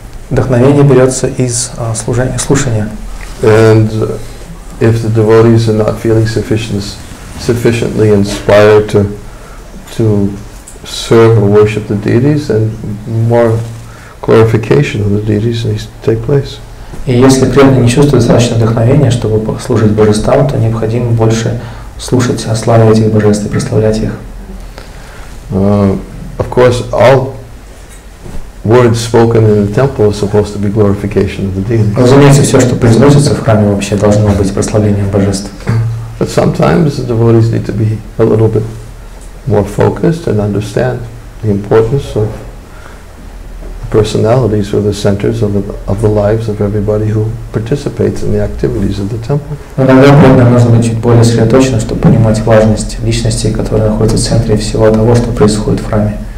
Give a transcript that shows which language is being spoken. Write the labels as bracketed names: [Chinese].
[Russian] Вдохновение берется из служения, слушания. [English] And if the devotees are not feeling sufficiently inspired to serve or worship the deities, then more glorification of the deities needs to take place. [Russian] И если преданный не чувствует достаточно вдохновения, чтобы служить божествам, то необходимо больше слушать о славе этих божеств и прославлять их. [English] Of course, all words spoken in the temple are supposed to be glorification of the deity. [Russian] Разумеется, все, что произносится в храме, вообще должно быть прославлением божеств. [English] But sometimes the devotees need to be a little bit more focused and understand the importance of personalities or the centers of the lives of everybody who participates in the activities of the temple. [Russian] Иногда преданным нужно быть чуть более сосредоточенным, чтобы понимать важность личностей, которые находятся в центре всего того, что происходит в храме.